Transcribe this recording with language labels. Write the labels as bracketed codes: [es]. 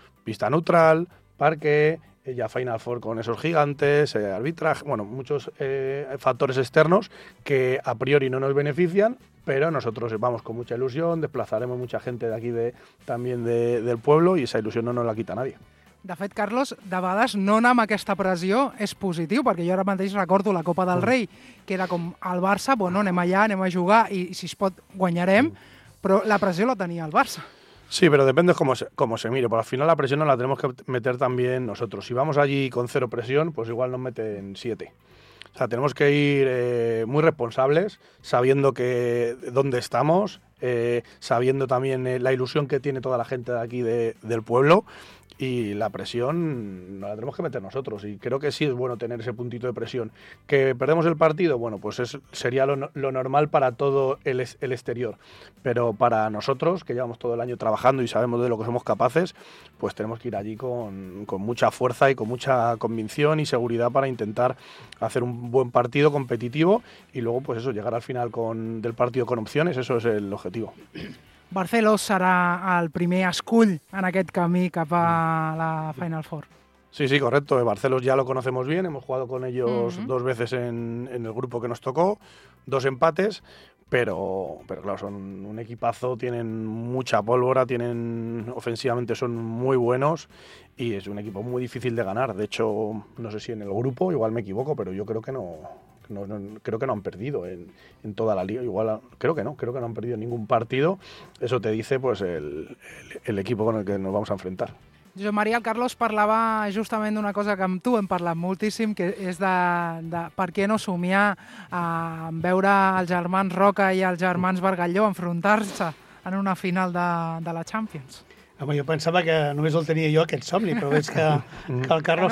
[es] Pista neutral, parque, ya Final Four con esos gigantes, arbitraje, bueno, muchos factores externos que a priori no nos benefician, pero nosotros vamos con mucha ilusión, desplazaremos mucha gente de aquí del pueblo, y esa ilusión no nos la quita nadie. [ca] De fet, Carlos, de vegades no anar amb aquesta pressió és positiu, perquè jo ara mateix recordo la Copa del Rei, que era com el Barça, bueno, anem allà, anem a jugar, i si es pot, guanyarem, però la pressió la tenia el Barça. [es] Sí, pero depende cómo se mire. Pero al final la presión la tenemos que meter también nosotros. Si vamos allí con cero presión, pues igual nos meten siete. O sea, tenemos que ir muy responsables, sabiendo que dónde estamos, sabiendo también la ilusión que tiene toda la gente de aquí del pueblo. Y la presión nos la tenemos que meter nosotros, y creo que sí es bueno tener ese puntito de presión. ¿Que perdemos el partido? Bueno, pues sería lo normal para todo el exterior. Pero para nosotros, que llevamos todo el año trabajando y sabemos de lo que somos capaces, pues tenemos que ir allí con mucha fuerza y con mucha convicción y seguridad para intentar hacer un buen partido competitivo y luego, pues eso, llegar al final del partido con opciones. Eso es el objetivo. [ca] Barceló serà el primer escull en aquest camí cap a la Final Four. [es] Sí, sí, correcto. Barceló ya lo conocemos bien. Hemos jugado con ellos dos veces en el grupo que nos tocó. Dos empates, pero claro, son un equipazo. Tienen mucha pólvora, tienen ofensivamente son muy buenos y es un equipo muy difícil de ganar. De hecho, no sé si en el grupo, igual me equivoco, pero yo creo que no. No, creo que no han perdido en toda la liga, igual creo que no han perdido ningún partido. Eso te dice pues el equipo con el que nos vamos a enfrentar. [ca] Josep Maria, el Carlos parlava justament d'una cosa que amb tu hem parlat moltíssim, que és de per què no somiar en veure els germans Roca i els germans Bargalló enfrontar-se en una final de la Champions. Home, jo pensava que només el tenia jo aquest somni, però veig que el Carlos